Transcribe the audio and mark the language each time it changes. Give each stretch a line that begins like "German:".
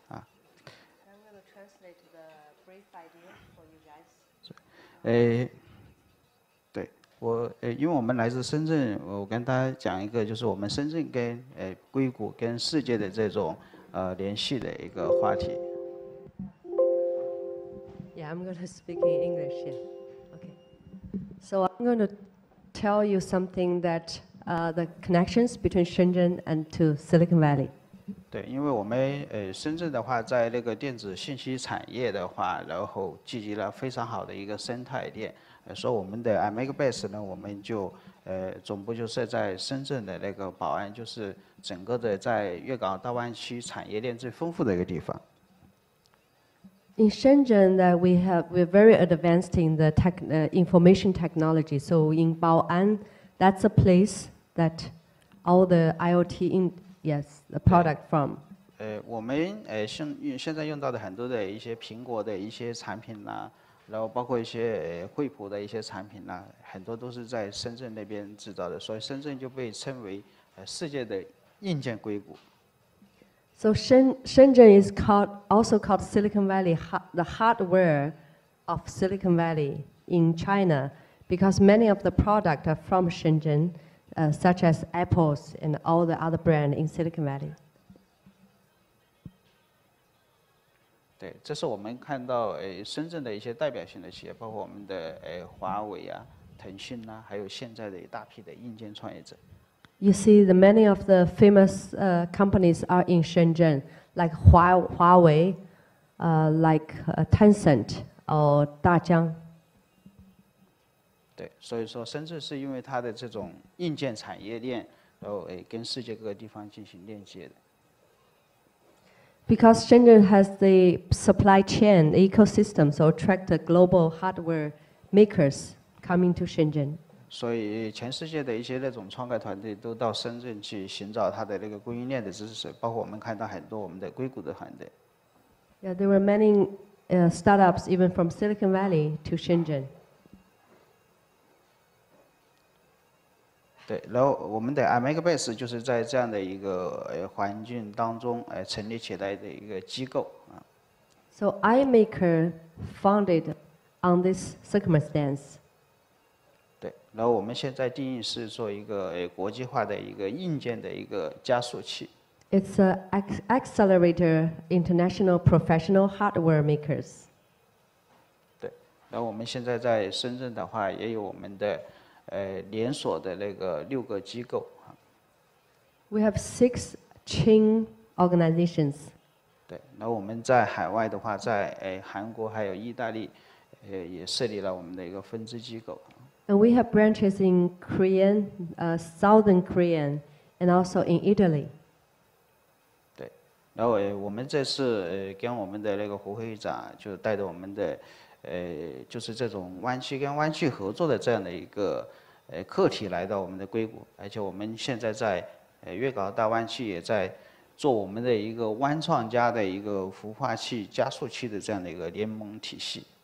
English: I'm going to translate the brief idea for you guys.
Chinese: 因为我们来自深圳，我跟大家讲一个，就是我们深圳跟硅谷跟世界的这种联系的一个话题。
English: Yeah, I'm going to speak in English here. Okay. So I'm going to tell you something that the connections between Shenzhen and to Silicon Valley.
Chinese: 对，因为我们深圳的话，在那个电子信息产业的话，然后聚集了非常好的一个生态链。所以我们的 Amiga Base 呢，我们就总部就设在深圳的那个宝安，就是整个的在粤港澳大湾区产业链最丰富的一个地方。
English: In Shenzhen, that we're very advanced in the information technology. So in Bao'an, that's a place that all the IoT the product from.
Chinese: 我们现在用到的很多的一些苹果的一些产品啦，然后包括一些惠普的一些产品啦，很多都是在深圳那边制造的，所以深圳就被称为世界的硬件硅谷。
English: So Shenzhen is called, also called Silicon Valley, the hardware of Silicon Valley in China, because many of the products are from Shenzhen, such as Apple's and all the other brands in Silicon Valley.
Chinese: 对，这是我们看到深圳的一些代表性的企业，包括我们的华为啊、腾讯啊，还有现在的一大批的硬件创业者。
English: You see, the many of the famous companies are in Shenzhen, like Huawei, like Tencent or Dajiang.
Chinese: 对，所以说深圳是因为它的这种硬件产业链，然后跟世界各个地方进行链接的。
English: Because Shenzhen has the supply chain ecosystem, so attract the global hardware makers coming to Shenzhen.
Chinese: 所以全世界的一些那种创客团队都到深圳去寻找它的那个供应链的知识，包括我们看到很多我们的硅谷的团队。
English: Yeah, there were many startups even from Silicon Valley to Shenzhen.
Chinese: 对，然后我们的 Amiga Base 就是在这样的一个环境当中成立起来的一个机构。
English: So iMaker founded on this circumstance.
Chinese: 然后我们现在定义是做一个国际化的一个硬件的一个加速器。
English: It's an accelerator international professional hardware makers.
Chinese: 对，然后我们现在在深圳的话，也有我们的连锁的那个六个机构。
English: We have six chain organizations.
Chinese: 对，然后我们在海外的话，在韩国还有意大利，也设立了我们的一个分支机构。
English: And we have branches in Korean, Southern Korean, and also in Italy.
Chinese: 对，然后我们这次跟我们的那个胡会长，就带着我们的就是这种湾区跟湾区合作的这样的一个课题来到我们的硅谷，而且我们现在在粤港澳大湾区也在做我们的一个湾创加的一个孵化器、加速器的这样的一个联盟体系。